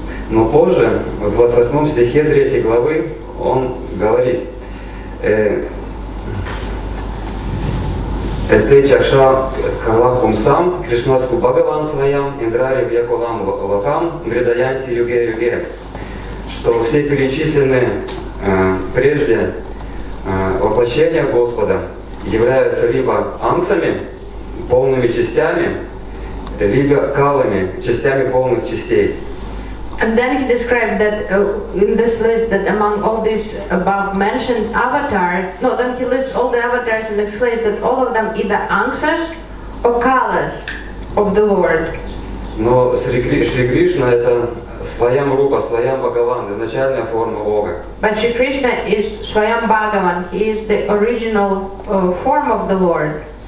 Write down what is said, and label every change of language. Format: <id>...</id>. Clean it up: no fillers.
<ru>Но позже, в 28 стихе 3 главы, он говорит,</ru> <sa>«Эты чакша калахум сам, кришнаску бхагаван своям, индрари вьякулам лакам, мридаянти юге-юге»,</sa> <ru>что все перечисленные прежде воплощения Господа являются либо ансами, полными частями, либо калами, частями полных частей.</ru> <en>And then he described that in this list that among all these above mentioned avatars, no, then he lists all the avatars and explains that all of them either ansas or kalas of the Lord.</en> <ru>Но Шри Кришна это Свайам Рупа, Свайам Бхагаван, изначальная форма Бога.</ru> <en>But Shri Krishna is Svayam Bhagavan, he is the original form of the Lord.</en>